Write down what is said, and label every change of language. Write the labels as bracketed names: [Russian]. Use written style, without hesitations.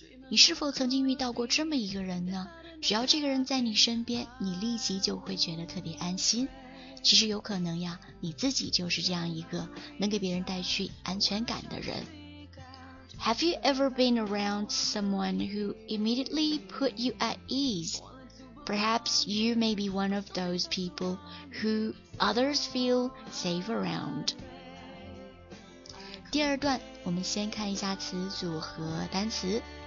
[Chinese] 你是否曾经遇到过这么一个人呢？只要这个人在你身边，你立即就会觉得特别安心。其实有可能呀，你自己就是这样一个能给别人带去安全感的人。 [English] Have you ever been around someone who immediately put you at ease? Perhaps you may be one of those people who others feel safe around. [Chinese] 第二段，我们先看一下词组和单词。